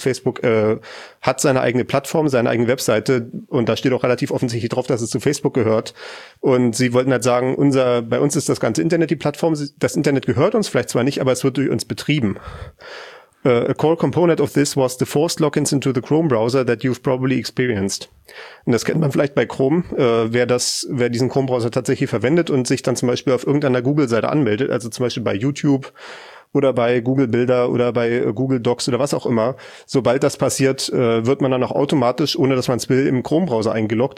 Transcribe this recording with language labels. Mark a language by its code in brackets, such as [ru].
[de] Facebook hat seine eigene Plattform, seine eigene Webseite und da steht auch relativ offensichtlich drauf, dass es zu Facebook gehört. Und sie wollten halt sagen, bei uns ist das ganze Internet die Plattform, das Internet gehört uns vielleicht zwar nicht, aber es wird durch uns betrieben. [en] A core component of this was the forced logins into the Chrome browser that you've probably experienced. [de] Und das kennt man vielleicht bei Chrome, wer diesen Chrome-Browser tatsächlich verwendet und sich dann zum Beispiel auf irgendeiner Google-Seite anmeldet, also zum Beispiel bei YouTube oder bei Google Bilder oder bei Google Docs oder was auch immer. Sobald das passiert, wird man dann auch automatisch, ohne dass man es will, im Chrome-Browser eingeloggt.